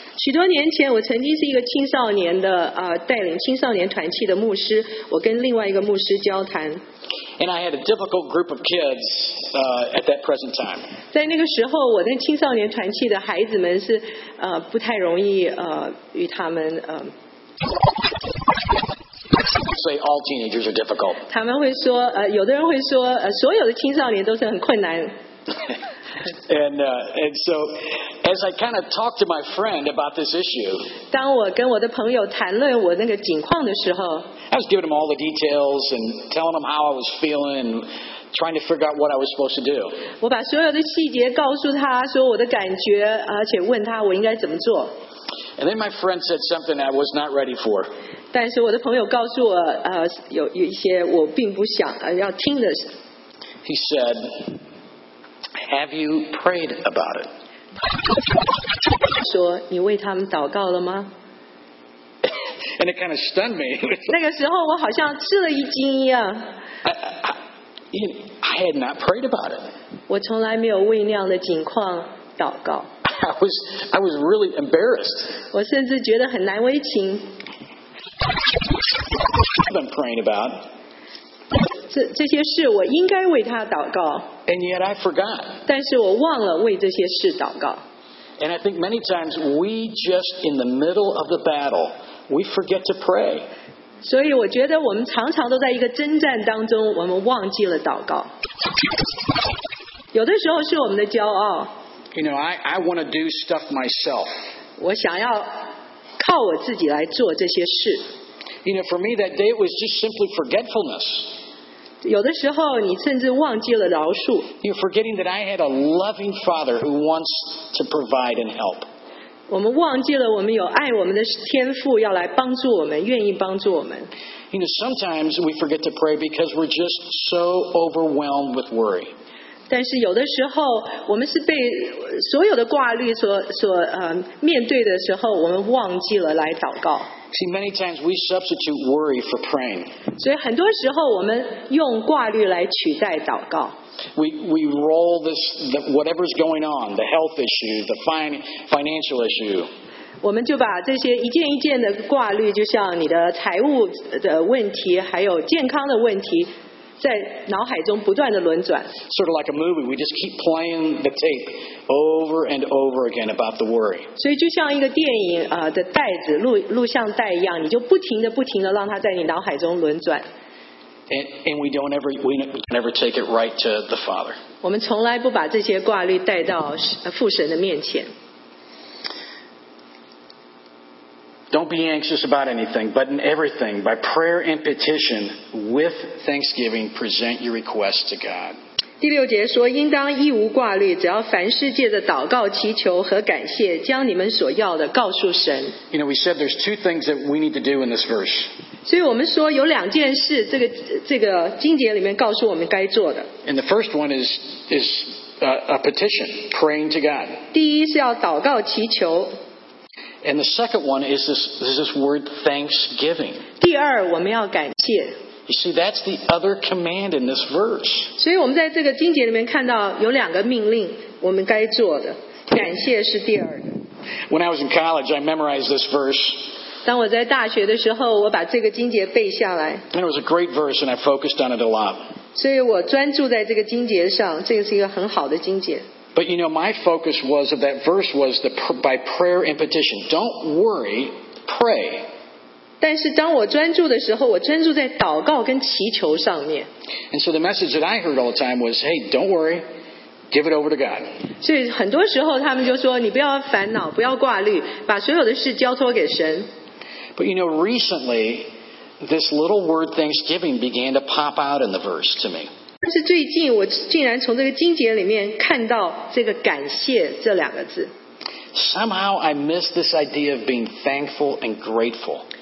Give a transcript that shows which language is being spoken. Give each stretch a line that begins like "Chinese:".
Chinese: 许多年前，我曾经是一个青少年的带领青少年团契的牧师，我跟另外一个牧师交谈。
English: And I had a difficult group of kids at that present time.
Chinese: 在那个时候，我的青少年团契的孩子们是不太容易与他们。
English: say all teenagers are difficult.
Chinese: 他们会说，有的人会说，所有的青少年都是很困难。
English: And so, as I kind of talked to my friend about this issue,
Chinese: 当我跟我的朋友谈论我那个情况的时候，
English: I was giving him all the details and telling him how I was feeling and trying to figure out what I was supposed to do.
Chinese: 我把所有的细节告诉他，说我的感觉，而且问他我应该怎么做。
English: And then my friend said something I was not ready for.
Chinese: 但是我的朋友告诉我，有一些我并不想要听的。
English: He said. Have you prayed about it?
Chinese: 说你为他们祷告了吗？
English: And it kind of stunned me.
Chinese: 那个时候我好像吃了一惊一样。
English: I had not prayed about it.
Chinese: 我从来没有为那样的情况祷告。
English: I was really embarrassed.
Chinese: 我甚至觉得很难为情。
English: I've been praying about it.
Chinese: 这些事我应该为他祷告。
English: And yet I forgot.
Chinese: 但是我忘了为这些事祷告。
English: And I think many times we just in the middle of the battle, we forget to pray.
Chinese: 所以我觉得我们常常都在一个征战当中，我们忘记了祷告。有的时候是我们的骄傲。
English: You know, I want to do stuff myself.
Chinese: 我想要靠我自己来做这些事。
English: You know, for me that day it was just simply forgetfulness.
Chinese: 有的时候你甚至忘记了饶恕。
English: You're forgetting that I had a loving father who wants to provide and help.
Chinese: 我们忘记了我们有爱我们的天父要来帮助我们，愿意帮助我们。
English: You know, sometimes we forget to pray because we're just so overwhelmed with worry.
Chinese: 但是有的时候我们是被所有的挂虑面对的时候，我们忘记了来祷告。
English: See, many times we substitute worry for praying.
Chinese: 所以很多时候我们用挂虑来取代祷告。
English: We roll this, whatever's going on, the health issue, the financial issue.
Chinese: 我们就把这些一件一件的挂虑，就像你的财务的问题，还有健康的问题，在脑海中不断的轮转。
English: Sort of like a movie, we just keep playing the tape. Over and over again about the worry.
Chinese: 所以就像一个电影的袋子录像带一样，你就不停的让它在你脑海中轮转。
English: And we never take it right to the Father.
Chinese: 我们从来不把这些挂虑带到父神的面前。
English: Don't be anxious about anything, but in everything, by prayer and petition with thanksgiving, present your requests to God.
Chinese: 第六节说应当一无挂虑，只要凡事借着祷告祈求和感谢将你们所要的告诉神。
English: You know, we said there's two things that we need to do in this verse.
Chinese: 所以我们说有两件事，这个经节里面告诉我们该做的。
English: And the first one is a petition, praying to God.
Chinese: 第一是要祷告祈求。
English: And the second one is this word thanksgiving.
Chinese: 第二我们要感谢。
English: You see, that's the other command in this verse.
Chinese: 所以我们在这个经节里面看到有两个命令，我们该做的，感谢是第二个。
English: When I was in college, I memorized this verse.
Chinese: 当我在大学的时候，我把这个经节背下来。
English: And it was a great verse, and I focused on it a lot.
Chinese: 所以我专注在这个经节上，这个是一个很好的经节。
English: But you know, my focus was of that verse was the by prayer and petition. Don't worry, pray.
Chinese: 但是当我专注的时候，我专注在祷告跟祈求上面。
English: And so the message that I heard all the time was, "Hey, don't worry, give it over to God."
Chinese: 所以很多时候他们就说，你不要烦恼，不要挂虑，把所有的事交托给神。
English: But you know, recently, this little word "Thanksgiving" began to pop out in the verse to me.
Chinese: 但是最近我竟然从这个经节里面看到这个"感谢"这两个字。
English: Somehow I missed this idea of being thankful and grateful.